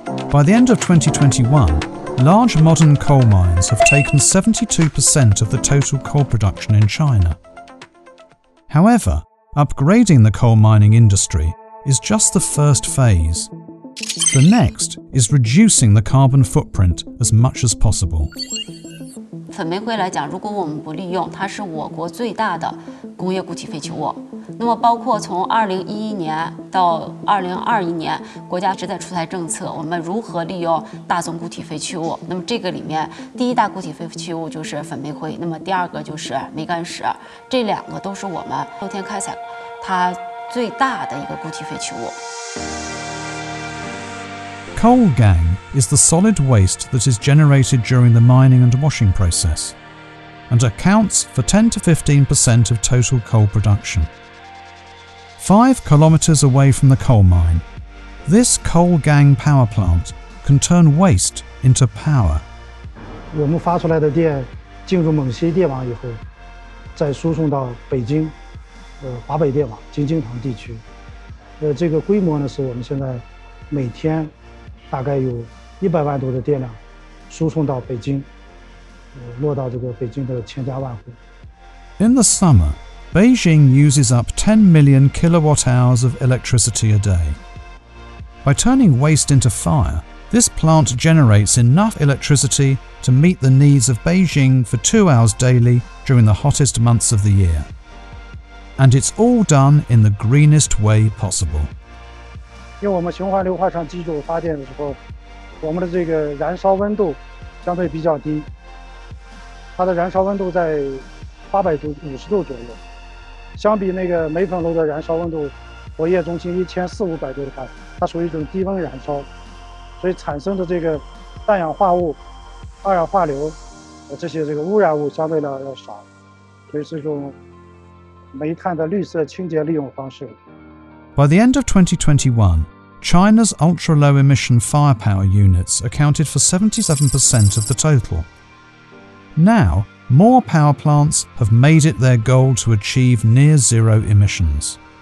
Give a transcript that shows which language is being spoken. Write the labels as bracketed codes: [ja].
[en] By the end of 2021, large modern coal mines have taken 72% of the total coal production in China. However, upgrading the coal mining industry is just the first phase. The next is reducing the carbon footprint as much as possible. [zh] 粉煤灰来讲，如果我们不利用，它是我国最大的工业固体废弃物。那么，包括从2011年到2021年，国家旨在出台政策，我们如何利用大宗固体废弃物？那么这个里面，第一大固体废弃物就是粉煤灰，那么第二个就是煤矸石，这两个都是我们露天开采它最大的一个固体废弃物。 [en] Coal gangis the solid waste that is generated during the mining and washing process and accounts for 10 to 15% of total coal production. 5 kilometers away from the coal mine, this coal gang power plant can turn waste into power. [zh] 我们发出来的电进入蒙西电网以后再输送到北京华北电网京津唐地区。这个规模呢是我们现在每天大概有100万度的电量输送到北京，落到这个北京的千家万户。 [en] In the summer, Beijing uses up 10 million kilowatt hours of electricity a day. By turning waste into fire, this plant generates enough electricity to meet the needs of Beijing for 2 hours daily during the hottest months of the year. And it's all done in the greenest way possible. [zh] 因为我们循环硫化厂机组发电的时候，我们的这个燃烧温度相对比较低，它的燃烧温度在 850度左右，相比那个煤粉炉的燃烧温度，火焰中心1400-1500度的话，它属于一种低温燃烧，所以产生的这个氮氧化物、二氧化硫这些这个污染物相对来要少，所以是一种煤炭的绿色清洁利用方式。 [en] By the end of 2021, China's ultra-low emission firepower units accounted for 77% of the total. Now, more power plants have made it their goal to achieve near zero emissions.